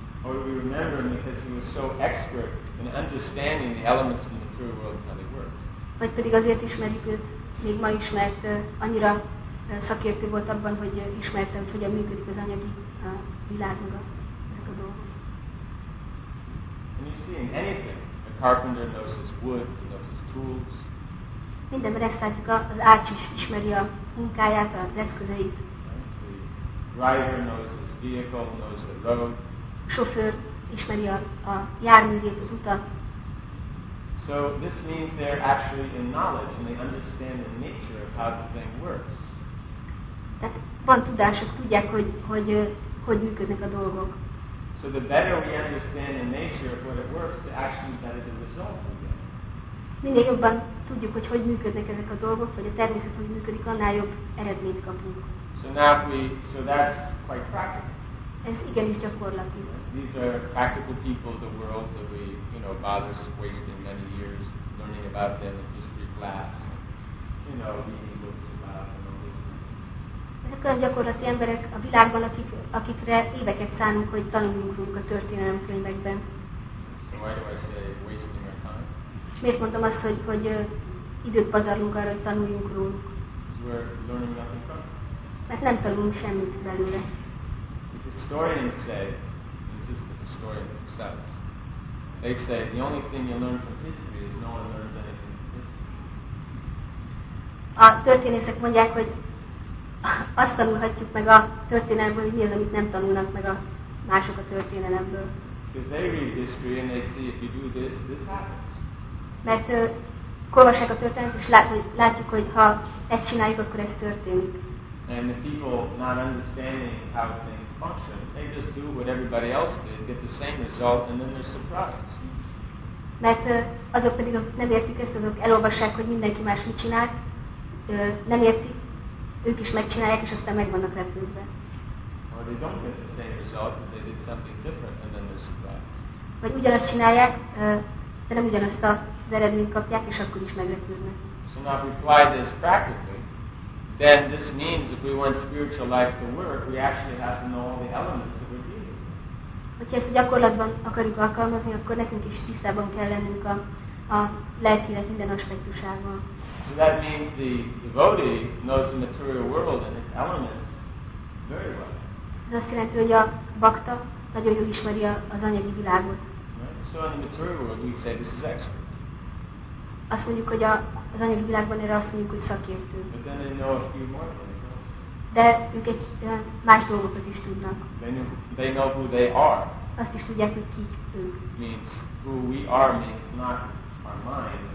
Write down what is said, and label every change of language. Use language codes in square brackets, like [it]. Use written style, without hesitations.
[en] Or we remember him because he was so expert in understanding the elements in the material world and how they work. [hu] Vagy pedig azért ismerjük őt még ma is, mert annyira szakértő volt abban, hogy ismerte, hogy hogyan működik az anyagi világnak ezek a dolgok. [en] carpenter knows his wood, he knows his tools. [hu] Minden resztvágyuk az ács is ismeri a munkáját, az eszközeit. [en] The rider knows his vehicle, knows the road. [hu] A sofőr ismeri a járművét, az utat. [en] So this means they're actually in knowledge and they understand the nature of how the thing works. [hu] Tehát van tudásuk, tudják, hogy működnek a dolgok. [en] So the better we understand the nature of what it works, the actually better the result we get. [hu] Minél jobban tudjuk, hogy működnek ezek a dolgok, vagy a természet, hogy működik, annál jobb eredményt kapunk. [en] So now so that's quite practical. [hu] Ez igenis gyakorlati. [en] These are practical people of the world that we, you know, bother wasting many years learning about them in history class, you know, reading books about them. [hu] Ezek olyan gyakorlati emberek a világban, akikre éveket szánunk, hogy tanuljunk a történelem könyvekben. [en] So why do I say wasting our time? [hu] Miért mondom azt, hogy időt pazarlunk arra, hogy tanuljunk róluk? [en] We're learning nothing from. [hu] Mert nem tanulunk semmit belőle. [en] The historians say, this is the historians themselves, they say the only thing you learn from history is no one learns anything from history. [hu] A történészek mondják, hogy azt tanulhatjuk meg a történelemből, hogy mi az, amit nem tanulnak meg a mások a történelemből. [en] Because they read history and they see if you do this, this happens. [hu] Mert olvassák a történet, és látjuk, hogy ha ezt csináljuk, akkor ez történik. [en] And the people not understanding how things function, they just do what everybody else did, get the same result, and then they're surprised. [hu] Mert azok pedig, akik nem értik ezt, azok elolvassák, hogy mindenki más mit csinál, nem értik, ők is megcsinálják, és aztán meg vannak lepődve. [en] Or they don't get the same result, but they did something different, and then they're surprised. [hu] Vagy ugyanazt csinálják, de nem ugyanazt az eredményt kapják, és akkor is meglepődnek. [en] So now we apply this practically, then this means if we want spiritual life to work, we actually have to know all the elements that we're dealing with. [hu] Hogyha ezt a gyakorlatban akarjuk alkalmazni, akkor nekünk is tisztában kell lennünk a lelki élet minden aspektusával. [en] So that means the devotee knows the material world and its elements very well. [hu] Ez azt jelenti, hogy a bhakta nagyon jól ismeri az anyagi világot. [en] So in the material world we say this is expert. [hu] Azt mondjuk, hogy az anyagi világban erre azt mondjuk, hogy szakértő. [en] But then they know a few more things. [hu] De ők egy más dolgokat is tudnak. [en] They know who they are. [hu] Azt is tudják, hogy kik ők. [en] Means who we are means not our mind.